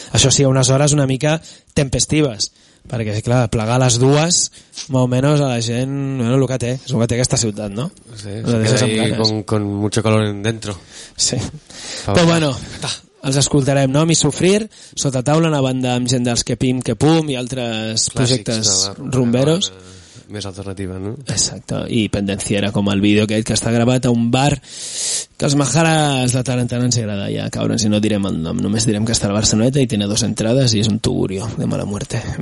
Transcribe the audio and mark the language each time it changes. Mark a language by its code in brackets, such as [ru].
[ca] Això sí, a unes hores una mica tempestives, perquè clar, plegar les dues més o menys a la gent, bueno, el que té, és el que té aquesta ciutat, no? [es] Sí, sí, ahí con mucho calor en dentro. [ca] Sí. Però bueno, els escoltarem, no? Mi Sufrir, Sota Taula, una banda amb gent dels Que Pim, Que Pum i altres clàssics, projectes rumberos. Més alternativa, no? Exacte, i Pendenciera, com el vídeo aquell que està gravat a un bar que els majares de tant en tant ens agrada ja caure, si no direm el nom, només direm que està al Barceloneta i té dos entrades i és [es] un tugurio de mala muerte.